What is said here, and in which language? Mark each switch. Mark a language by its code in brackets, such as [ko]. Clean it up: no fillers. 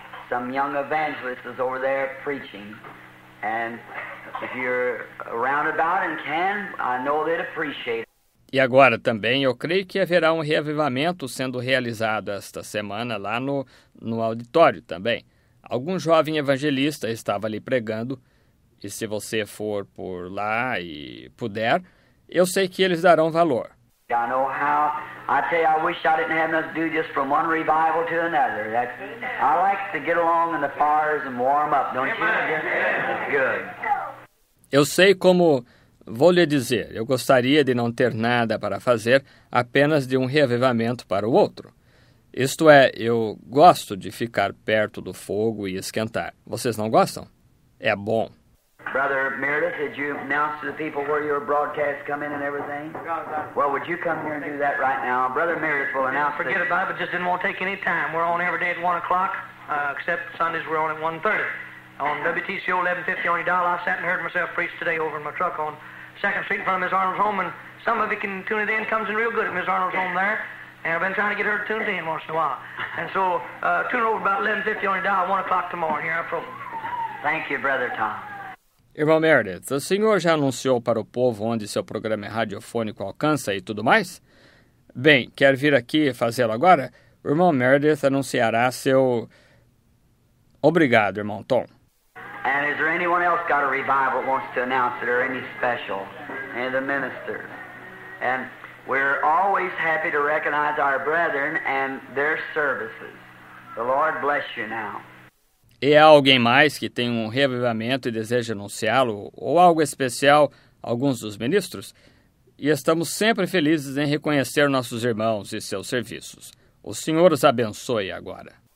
[en] Some young evangelists is over there preaching. And if you're around about and can, I know they'd appreciate it. [pt] E agora também eu creio que haverá um reavivamento sendo realizado esta semana lá no auditório também. Algum jovem evangelista estava ali pregando, e se você for por lá e puder, eu sei que eles darão valor. [en] I know how. I tell you, I wish I didn't have enough to do just from one revival to another. I like to get along in the fires and warm up, don't you? Good. [pt] Eu sei como. Vou lhe dizer, eu gostaria de não ter nada para fazer, apenas de um reavivamento para o outro. Isto é, eu gosto de ficar perto do fogo e esquentar. Vocês não gostam? É bom. [en] Brother Meredith, did you announce to the people where your broadcast come in and everything? Well, would you come here and do that right now? Brother Meredith will announce. Forget about it, but just didn't want to take any time. We're on every day at 1 o'clock, except Sundays we're on at 1:30. On WTCO 1150 on your dial, I sat and heard myself preach today over in my truck on 2nd Street in front of Ms. Arnold's home, and some of you can tune it in, comes in real good at Ms. Arnold's home there, and I've been trying to get her to tune it in once in a while. And so, tune over about 1150 on your dial, 1 o'clock tomorrow, here I promise. Thank you, Brother Tom. [pt] Irmão Meredith, o senhor já anunciou para o povo onde seu programa radiofônico alcança e tudo mais? Bem, quer vir aqui fazê-lo agora? O irmão Meredith anunciará seu... Obrigado, irmão Tom. [en] And is there anyone else got a revival that wants to announce it or any special? Any of the ministers? And we're always happy to recognize our brethren and their services. The Lord bless you now. [pt] E há alguém mais que tem um reavivamento e deseja anunciá-lo? Ou algo especial, alguns dos ministros? E estamos sempre felizes em reconhecer nossos irmãos e seus serviços. O Senhor os abençoe agora.